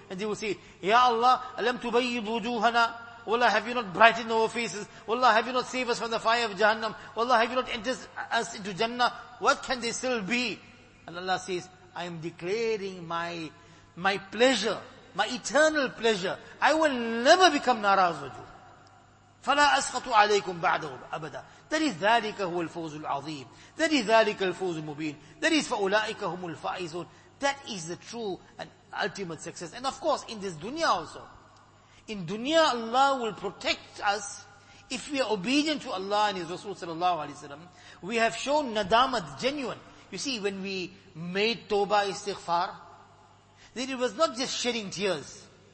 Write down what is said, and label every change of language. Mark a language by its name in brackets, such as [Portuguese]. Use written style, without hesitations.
[English] And they will say, Ya Allah, [Arabic] أَلَمْ تُبَيِّضْ وُجُوهَنَا [English] Wallah, have you not brightened our faces? Wallah, have you not saved us from the fire of Jahannam? Wallah, have you not entered us into Jannah? What can they still be? And Allah says, I am declaring my pleasure, my eternal pleasure. I will never become naraz with you. [Arabic] فَلَا أَسْخَطُ عَلَيْكُمْ بَعْدَهُ أَبَدًا That is ذَلِكَ هُوَ الْفَوْزُ الْعَظِيمُ That is ذَلِكَ الْفَوْزُ الْمُبِينُ That is فَأُولَٰئِكَ هُمُ الْفَائِزُونَ [English] That is the true and ultimate success. And of course, in this dunya also. In dunya, Allah will protect us if we are obedient to Allah and His Rasul sallallahu alayhi wa sallam. We have shown nadamat, genuine. You see, when we made tawbah istighfar, then it was not just shedding tears.